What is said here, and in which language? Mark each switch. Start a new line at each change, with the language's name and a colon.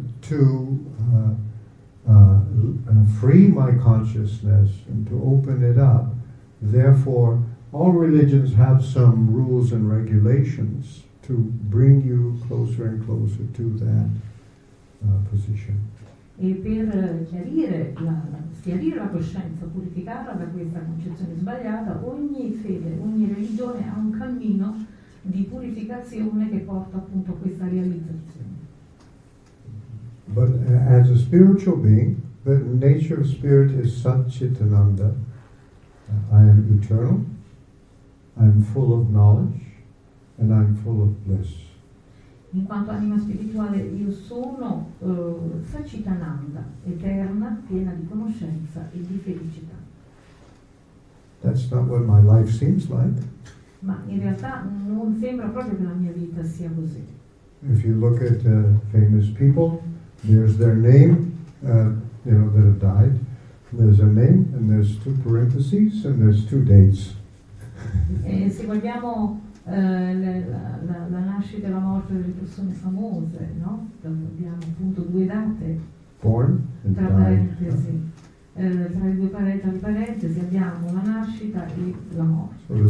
English: And to free my consciousness and to open it up, therefore, all religions have some rules and regulations to bring you closer and closer to that position.
Italian: E per chiarire la coscienza, purificarla da questa concezione sbagliata, ogni fede, ogni religione ha un cammino di purificazione che porta appunto questa realizzazione.
English: But as a spiritual being, the nature of spirit is Satchitananda. I am eternal, I am full of knowledge, and I am full of bliss.
Italian: In quanto anima spirituale, io sono Satchitananda, eterna, piena di conoscenza e di felicità.
English: That's not what my life seems like.
Italian: Ma in realtà non sembra proprio che la mia vita sia così.
English: If you look at famous people, there's their name, that have died. There's a name, and there's two parentheses, and there's two dates.
Italian: Se guardiamo la nascita e la morte delle persone famose, no? Abbiamo appunto due date.
English: Born and
Italian: tra parentesi. Tra le due parentesi abbiamo la nascita e la morte.